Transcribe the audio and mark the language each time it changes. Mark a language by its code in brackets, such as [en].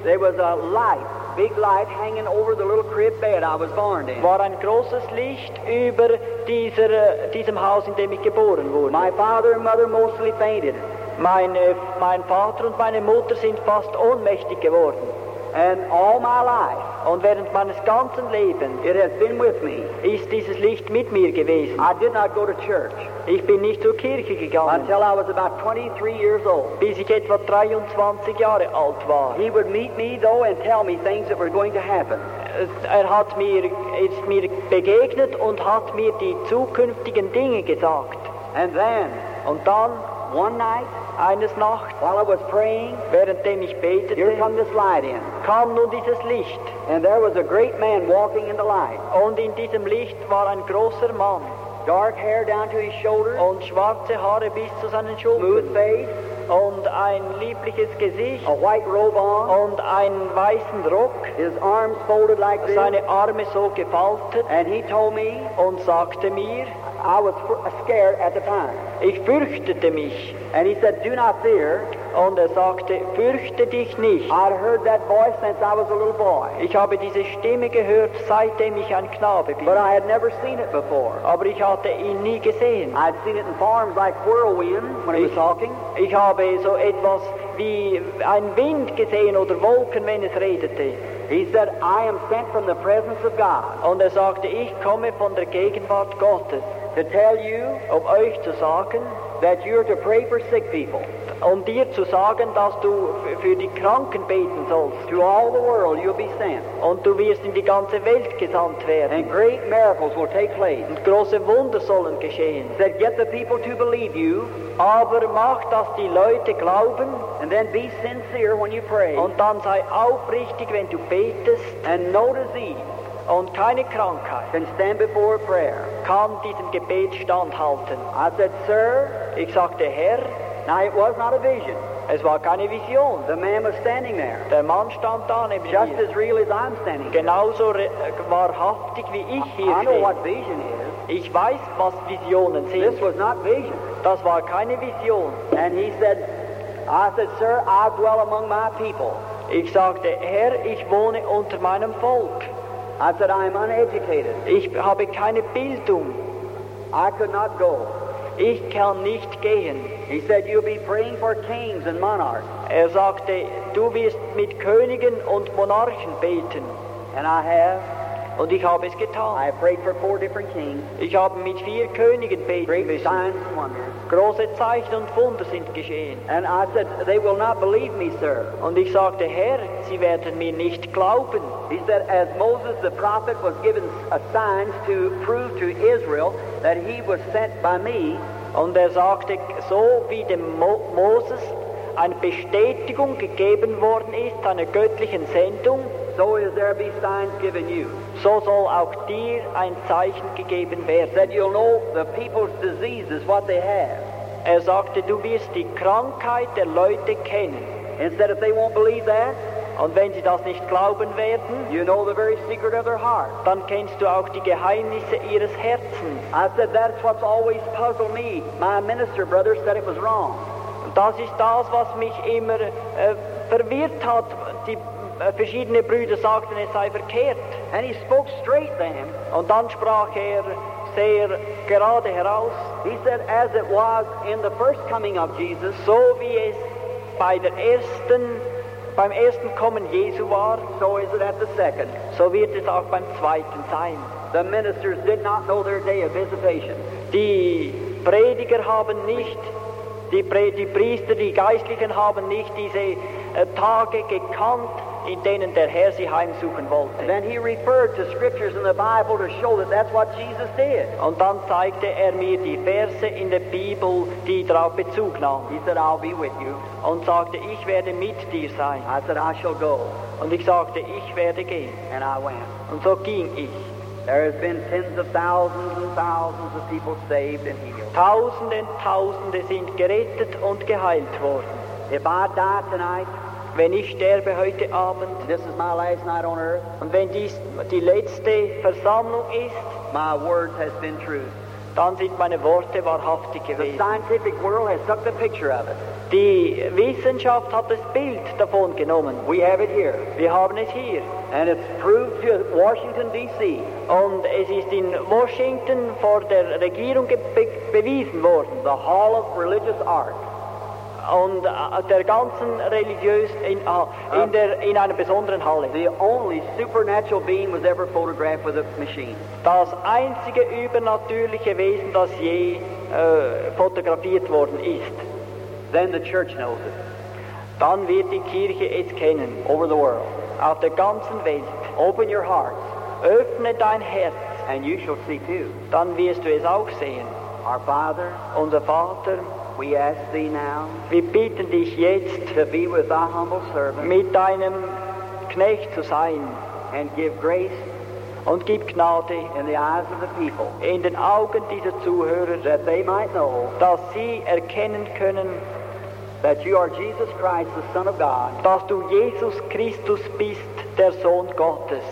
[en] there was a light. Big light hanging over the little crib bed I was born in. [de] War ein großes Licht über diesem Haus, in dem ich geboren wurde. [en] My father and mother mostly fainted. [de] Mein Vater und meine Mutter sind fast ohnmächtig geworden. [en] And all my life, [de] und während meines ganzen Lebens, [en] it has been with me. [de] Ist dieses Licht mit mir gewesen. [en] I did not go to church. [de] Ich bin nicht zur Kirche gegangen. [en] Until I was about 23 years old. [de] Bis ich etwa 23 Jahre alt war. [en] He would meet me though and tell me things that were going to happen. [de] Er hat mir, ist mir begegnet und hat mir die zukünftigen Dinge gesagt. [en] And then, [de] und dann, [en] One night, [de] eines Nachts, [en] while I was praying, [de] währenddem ich betete, [en] here come this light in. [de] Kam nun dieses Licht. [en] And there was a great man walking in the light. [de] Und in diesem Licht war ein großer Mann. [en] Dark hair down to his shoulders. [de] Und schwarze Haare bis zu seinen Schultern. [en] Smooth face. [de] Und ein liebliches Gesicht. [en] A white robe on. [de] Und einen weißen Rock. [en] His arms folded like this. [de] Seine Arme so gefaltet. [en] And he told me. [de] Und sagte mir. [en] I was scared at the time. [de] Ich fürchtete mich. [en] And he said, do not fear. [de] Und sagte, fürchte dich nicht. [en] I'd heard that voice since I was a little boy. [de] Ich habe diese Stimme gehört, seitdem ich ein Knabe bin. [en] But I had never seen it before. [de] Aber ich hatte ihn nie gesehen. [en] I'd seen it in farms like whirlwinds when he was talking. [de] Ich habe so etwas wie ein Wind gesehen oder Wolken, wenn es redete. [en] He said, I am sent from the presence of God. [de] Und sagte, ich komme von der Gegenwart Gottes. [en] To tell you, [de] um euch zu sagen, [en] that you are to pray for sick people. [de] Und dir zu sagen, dass du für die Kranken beten sollst. [en] To all the world you'll be sent. [de] Und du wirst in die ganze Welt gesandt werden. [en] And great miracles will take place. [de] Und große Wunder sollen geschehen. [en] That get the people to believe you. [de] Aber mach, dass die Leute glauben. [en] And then be sincere when you pray. [de] Und dann sei aufrichtig, wenn du betest. [en] And no disease. [de] Und keine Krankheit. [en] Can stand before prayer. [de] Kann diesem Gebet standhalten. [en] I said, sir. [de] Ich sagte, Herr. [en] Now it was not a vision. [de] Es war keine Vision. [en] The man was standing there. [de] Der Mann stand da neben [en] just [de] mir. [en] As real as I'm standing. [de] Genauso wahrhaftig wie ich hier. [en] I know what vision is. [de] Ich weiß, was Visionen sind. [en] This was not vision. [de] Das war keine Vision. [en] And he said, I said, sir, I dwell among my people. [de] Ich sagte, Herr, ich wohne unter meinem Volk. [en] I said, I am uneducated. [de] Ich habe keine Bildung. [en] I could not go. [de] Ich kann nicht gehen. [en] He said, you'll be praying for kings and monarchs. [de] Sagte, du wirst mit Königen und Monarchen beten. [en] And I have. [de] Und ich habe es getan. [en] I have prayed for four different kings. [de] Ich habe mit vier Königen beten [en] great [de] müssen. [en] Great signs and wonders. [de] Große Zeichen und Wunder sind geschehen. [en] And I said, they will not believe me, sir. [de] Und ich sagte, Herr, sie werden mir nicht glauben. [en] He said, as Moses the prophet was given a sign to prove to Israel that he was sent by me. [de] Und sagte, so wie dem Moses eine Bestätigung gegeben worden ist, einer göttlichen Sendung, [en] so is there be signs given you. [de] So soll auch dir ein Zeichen gegeben werden. [en] That you'll know the people's diseases, what they have. [de] Sagte, du wirst die Krankheit der Leute kennen. [en] And said, if they won't believe that, [de] und wenn sie das nicht glauben werden, [en] you know the very secret of their heart. [de] Dann kennst du auch die Geheimnisse ihres Herzens. [en] I said, that's what's always puzzled me. My minister brother said it was wrong. [de] Das ist das, was mich immer verwirrt hat. Die verschiedene Brüder sagten, es sei verkehrt. [en] And he spoke straight to him. [de] Und dann sprach er sehr gerade heraus. [en] He said, as it was in the first coming of Jesus, [de] so wie es bei der ersten beim ersten Kommen Jesu war, [en] so is it at the second. [de] So wird es auch beim zweiten sein. [en] The ministers did not know their day of visitation. [de] Die Prediger haben nicht, die Priester, die Geistlichen haben nicht diese Tage gekannt, in denen der Herr sie heimsuchen wollte. [en] And then he referred to scriptures in the Bible to show that that's what Jesus did. [de] Und dann zeigte er mir die Verse in der Bibel, die darauf Bezug nahm. [en] He said, I'll be with you. [de] Und sagte, ich werde mit dir sein. [en] I said, I shall go. [de] Und ich sagte, ich werde gehen. [en] And I went. [de] Und so ging ich. [en] There have been tens of thousands and thousands of people saved and healed. [de] Tausende und Tausende sind gerettet und geheilt worden. [en] If I die tonight, [de] wenn ich sterbe heute Abend, [en] this is my last night on earth, [de] und wenn dies die letzte Versammlung ist, [en] my word has been true. [de] Dann sind meine Worte wahrhaftig gewesen. [en] The scientific world has took the picture of it. [de] Die Wissenschaft hat das Bild davon genommen. [en] We have it here. [de] Wir haben es hier. [en] And it's proved to Washington, D.C. [de] Und es ist in Washington vor der Regierung bewiesen worden. [en] The Hall of Religious Art. [de] Und der ganzen religiös in einer besonderen Halle. [en] The only supernatural being was ever photographed with a machine. [de] Das einzige übernatürliche Wesen, das je fotografiert worden ist. [en] Then the church knows it. [de] Dann wird die Kirche es kennen. [en] Over the world. [de] Auf der ganzen Welt. [en] Open your heart. [de] Öffne dein Herz. [en] And you shall see too. [de] Dann wirst du es auch sehen. [en] Our Father. [de] Unser Vater. [en] we ask thee now. [de] Wir bitten dich jetzt, [en] to be with thy humble servant. [de] Mit deinem Knecht zu sein. [en] And give grace. [de] Und gib Gnade. [en] In the eyes of the people. [de] In den Augen dieser Zuhörer, [en] that they might know. [de] Dass sie erkennen können. [en] That you are Jesus Christ, the Son of God. [de] Dass du Jesus Christus bist, der Sohn Gottes.